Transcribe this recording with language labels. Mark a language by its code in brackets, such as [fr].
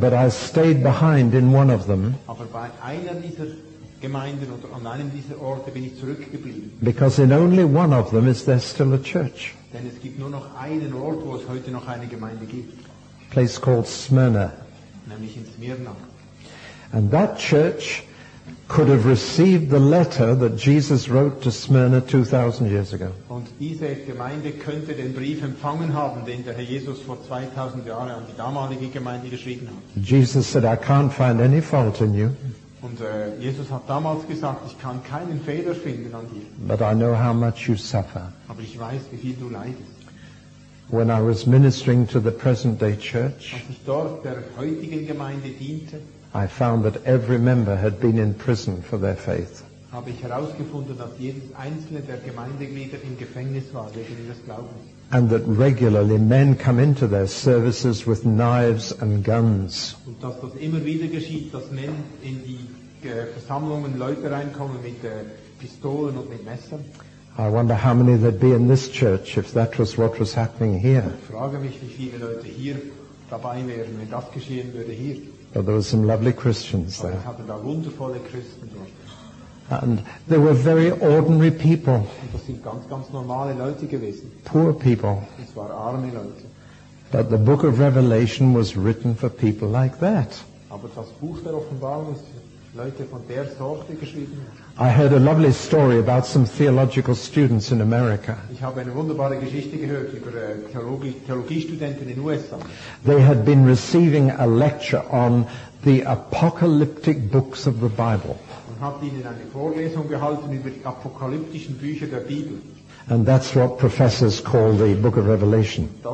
[en] But I stayed behind in one of them. [de] Aber bei einer dieser Gemeinden oder an einem dieser Orte bin ich zurückgeblieben. [en] Because in only one of them is there still a church. [de] Denn es gibt nur noch einen Ort, wo es heute noch eine Gemeinde gibt. [en] A place called Smyrna. [de] Nämlich in Smyrna. [en] And that church could have received the letter that Jesus wrote to Smyrna 2000 years ago. [de] Und diese Gemeinde könnte den Brief empfangen haben, den der Herr Jesus vor 2000 Jahren an die damalige Gemeinde geschrieben hat. [en] Jesus said, I can't find any fault in you. [de] Und Jesus hat damals gesagt, ich kann keinen Fehler finden an dir. [en] But I know how much you suffer. [de] Aber ich weiß, wie viel du leidest. [en] When I was ministering to the present day church, [de] als ich dort der heutigen Gemeinde diente, [en] I found that every member had been in prison for their faith. [de] Habe ich herausgefunden, dass jedes einzelne der Gemeindeglieder im Gefängnis war wegen ihres Glaubens. [en] And that regularly men come into their services with knives and guns. [de] Und dass das immer wieder geschieht, dass Männer in die Versammlungen Leute reinkommen mit Pistolen und mit Messern. [en] I wonder how many there'd be in this church if that was what was happening here. [de] Ich frage mich, wie viele Leute hier dabei wären, wenn das geschehen würde hier. [en] But there were some lovely Christians there. [de] Aber es hatte da wundervolle Christen dort. [en] And they were very ordinary people. [de] Und das sind ganz, ganz normale Leute gewesen. [en] Poor people. [de] Es waren arme Leute. [en] But the book of Revelation was written for people like that. [de] Aber das Buch der Offenbarung ist für Leute von der Sorte geschrieben. [en] I heard a lovely story about some theological students in America. [de] Ich habe eine wunderbare Geschichte gehört über Theologiestudenten in USA. [en] They had been receiving a lecture on the apocalyptic books of the Bible. [de] Man hat ihnen eine Vorlesung gehalten über die apokalyptischen Bücher der Bibel. [en] And that's what professors call the Book of Revelation.